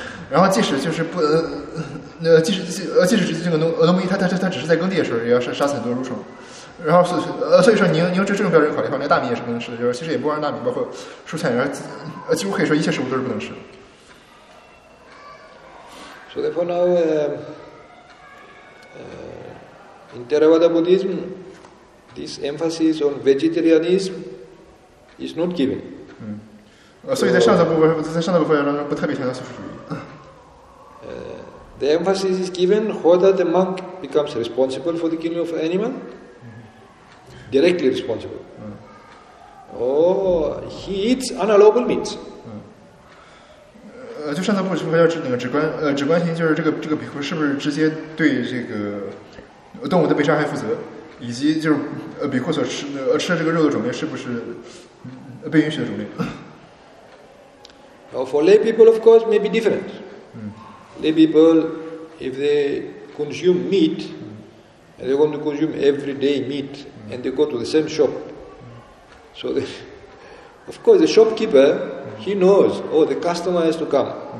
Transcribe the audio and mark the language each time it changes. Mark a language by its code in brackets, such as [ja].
[zh] 然后即使就是不，即使这个农民他只是在耕地的时候，也要杀死很多蠕虫。然后所以说您用这种标准考虑的话，那大米也是不能吃的，就是其实也不光是大米，包括蔬菜，然后几乎可以说一切食物都是不能吃的。 [en] So therefore now, in Theravada Buddhism, this emphasis on vegetarianism is not given. [zh] 所以在上层部分，在上层部分当中不特别强调素食主义。 [en] The emphasis is given whether the monk becomes responsible for the killing of animal, directly responsible, or he eats unallowable meats. [zh] 就上层部分要指那个直观性，就是这个比库是不是直接对这个动物的被伤害负责，以及就是比库所吃的这个肉的种类是不是被允许的种类。 [en] Now for lay people, of course, may be different. Lay people, if they consume meat, and they want to consume every day meat, and they go to the same shop, so they. Of course, the shopkeeper, he knows, oh, the customer has to come.